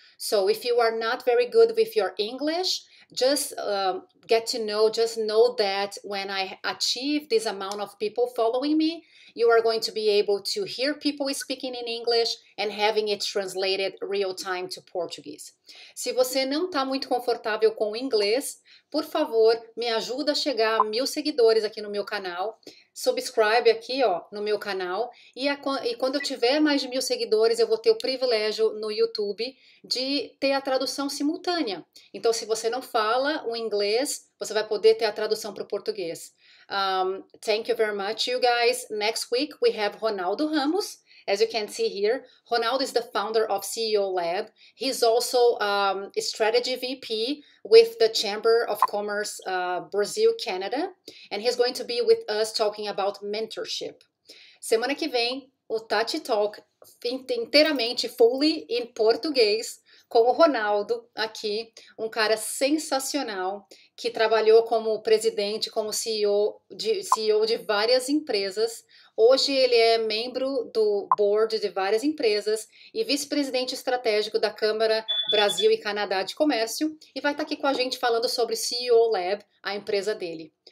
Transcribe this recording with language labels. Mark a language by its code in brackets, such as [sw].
[en] So if you are not very good with your English, just get to know, just know that when I achieve this amount of people following me, you are going to be able to hear people speaking in English and having it translated real time to Portuguese. [pt] Se você não está muito confortável com o inglês, por favor, me ajuda a chegar a 1,000 seguidores aqui no meu canal. Subscribe aqui, ó, no meu canal. E quando eu tiver mais de 1,000 seguidores, eu vou ter o privilégio no YouTube de ter a tradução simultânea. Então, se você não fala o inglês, você vai poder ter a tradução para o português. [en] Thank you very much, you guys. Next week, we have Ronaldo Ramos. As you can see here, Ronaldo is the founder of CEO Lab. He's also a strategy VP with the Chamber of Commerce Brazil, Canada. And he's going to be with us talking about mentorship. [pt] Semana que vem, o Tachi Talk inteiramente, fully in português, com o Ronaldo aqui, um cara sensacional, que trabalhou como presidente, como CEO de várias empresas. Hoje ele é membro do board de várias empresas e vice-presidente estratégico da Câmara Brasil e Canadá de Comércio e vai estar aqui com a gente falando sobre CEO Lab, a empresa dele.